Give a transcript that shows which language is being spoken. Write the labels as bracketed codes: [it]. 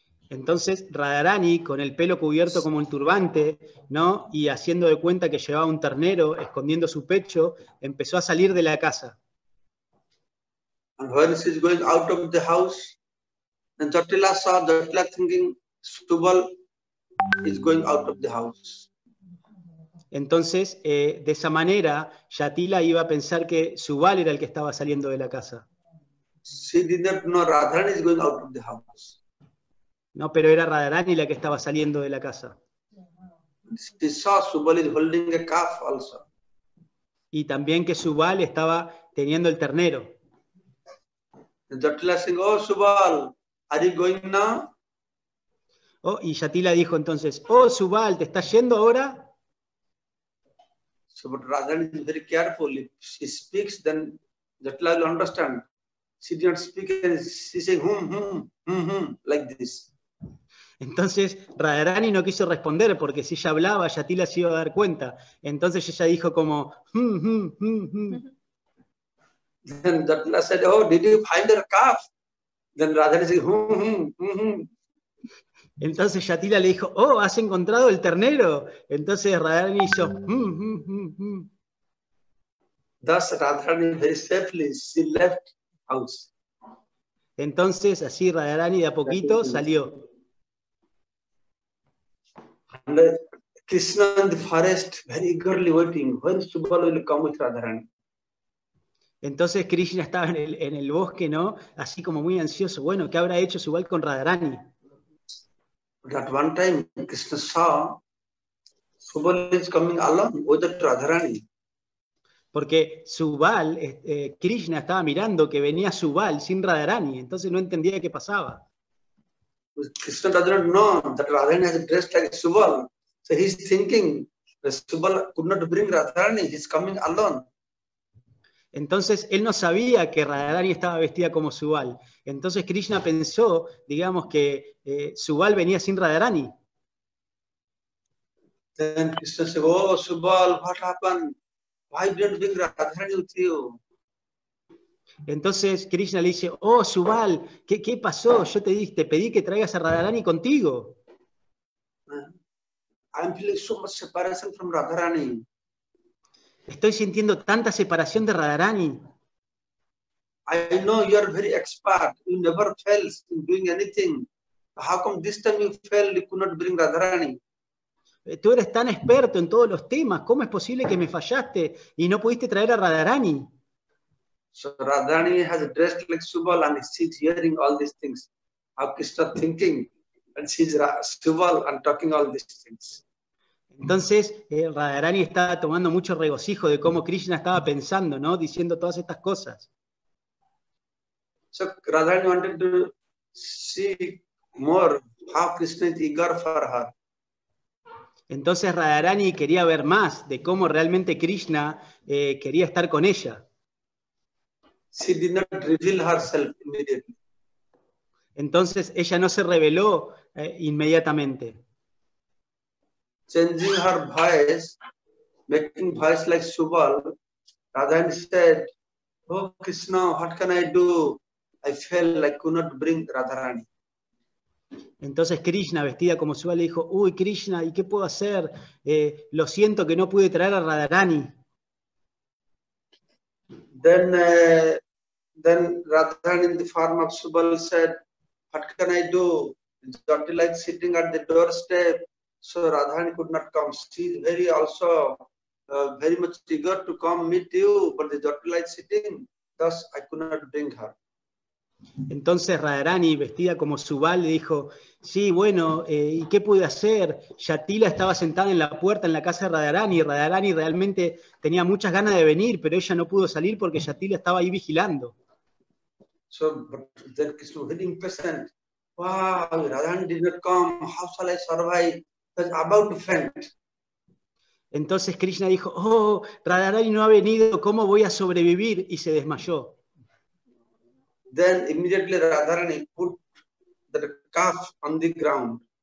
[es] Entonces Radharani, con el pelo cubierto como un turbante, ¿no? Y haciendo de cuenta que llevaba un ternero, escondiendo su pecho, empezó a salir de la casa. [en] And when she's going out of the house, and Jatila saw Jatila thinking Subala is going out of the house. [es] Entonces, de esa manera, Yatila iba a pensar que Subal era el que estaba saliendo de la casa. [en] She did not know Radharani is going out of the house. [es] No, pero era Radharani la que estaba saliendo de la casa. [en] She saw Subal is holding a calf also. [es] Y también que Subal estaba teniendo el ternero. [en] Yatila said, "Oh, Subal, are you going now?" [es] Oh, y Yatila dijo entonces, oh Subal, ¿te estás yendo ahora? [en] So, but Radharani is very careful. If she speaks, then Yatila will understand. She did not speak and she said, like this. [es] Entonces Radharani no quiso responder porque si ella hablaba, Yatila se iba a dar cuenta. Entonces ella dijo como, [en] Then Yatila said, oh, did you find her calf? Then Radharani said, [es] Entonces Yatila le dijo, oh, ¿has encontrado el ternero? Entonces Radharani hizo, [en] Thus Radharani very safely she left house. [es] Entonces así Radharani de a poquito salió. [en] And Krishna in the forest very eagerly waiting when Subala will come with Radharani. [es] Entonces Krishna estaba en el bosque, ¿no? Así como muy ansioso. Bueno, ¿qué habrá hecho Subala con Radharani? [en] At one time, Krishna saw Subal is coming along with the Radharani. [es] Porque Subal, Krishna estaba mirando que venía Subal sin Radharani, entonces no entendía qué pasaba. [en] Krishna does not know that Radharani has dressed like Subal, so he's thinking that Subal could not bring Radharani, he's coming alone. [es] Entonces él no sabía que Radharani estaba vestida como Subal. Entonces Krishna pensó, digamos, que Subal venía sin Radharani. [en] Then Krishna said, "Oh, Subal, what happened? Why didn't bring Radharani with you?" [es] Entonces Krishna le dice, "Oh, Subal, ¿qué pasó? Yo te pedí que traigas a Radharani contigo." [en] I'm feeling so much separation from Radharani. [es] Estoy sintiendo tanta separación de Radharani. [en] I know you are very expert. You never fail in doing anything. How come this time you failed? You could not bring Radharani. [es] Tú eres tan experto en todos los temas. ¿Cómo es posible que me fallaste y no pudiste traer a Radharani? [en] So Radharani has dressed like Subal and she's hearing all these things. How can she stop thinking? And she's Subal and talking all these things. [es] Entonces Radharani estaba tomando mucho regocijo de cómo Krishna estaba pensando, ¿no? Diciendo todas estas cosas. [en] So Radharani wanted to see more how Krishna is eager for her. [es] Entonces Radharani quería ver más de cómo realmente Krishna quería estar con ella. [en] She did not reveal herself immediately. [es] Entonces ella no se reveló inmediatamente. [en] Changing her voice, making voice like Subal, Radharani said, Oh Krishna, what can I do? I fell, I could not bring Radharani. [es] Entonces Krishna, vestida como Suba, le dijo, uy Krishna, ¿y qué puedo hacer? Lo siento que no pude traer a Radharani. [en] Then Radharani in the form of Subal said, what can I do? Jati like sitting at the doorstep, so Radharani could not come. She is very also very much eager to come meet you, but the Jati like sitting, thus I could not bring her. [es] Entonces Radharani, vestida como Subal, le dijo, sí, bueno, ¿y qué pude hacer? Yatila estaba sentada en la puerta en la casa de Radharani, y Radharani realmente tenía muchas ganas de venir, pero ella no pudo salir porque Yatila estaba ahí vigilando. [en] So, then Krishna was very impatient. Wow, Radharani did not come, how shall I survive? It's about to faint. [es] Entonces Krishna dijo, oh, Radharani no ha venido, ¿cómo voy a sobrevivir? Y se desmayó. [en] Then immediately Radharani put the calf on the ground.